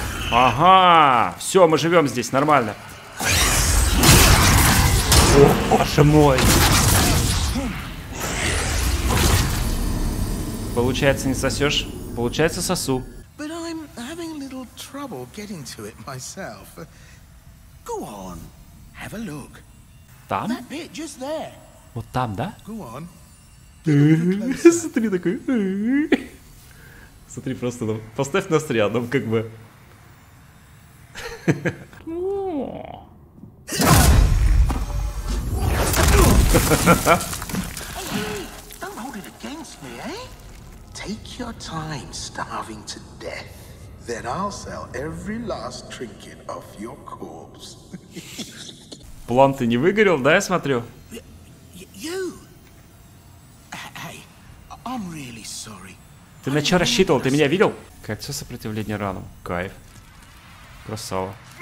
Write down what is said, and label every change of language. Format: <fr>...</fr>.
<ru>Ага, все, мы живем здесь, нормально. О, боже мой. Получается, не сосешь, получается, сосу.</ru> <en>But I'm having a little trouble getting to it myself. Go on, have a look.</en> <ru>Там?</ru> <en>That bit just there.</en> <ru>Вот там, да?</ru> <en>Go on.</en> <ru>Смотри, такой. Смотри, просто нам... поставь нас рядом, как бы.</ru> <en>Don't hold it against me, eh? Take your time starving to death. Then I'll sell every last trinket off your corpse.</en> <ru>План ты не выгорел, да, я смотрю?</ru> <en>You. Hey, I'm really sorry.</en> <ru>Ты на что рассчитывал? Ты меня видел? Кольцо сопротивления ранам. Кайф. Красава.</ru>